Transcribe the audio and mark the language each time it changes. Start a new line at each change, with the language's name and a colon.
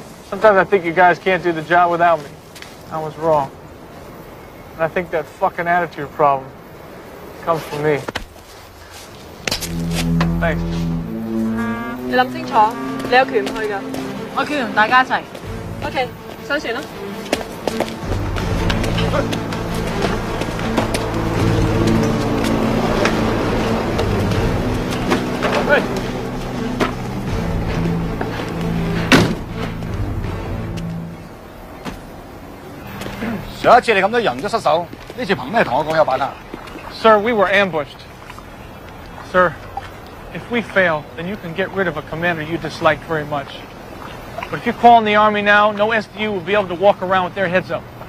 English: Sometimes I think you guys can't do the job without me. I was wrong. And I think that fucking attitude problem comes from me. Thanks.
Cantonese: 你谂清楚，你有权唔去噶。我叫完大家一齐。OK，上船啦。上一次你咁多人都失手，呢次凭咩同我讲有板啊
English: ？Sir, we were ambushed. Sir, if we fail, then you can get rid of a commander you disliked very much. But if you call in the army now, no SDU will be able to walk around with their heads up.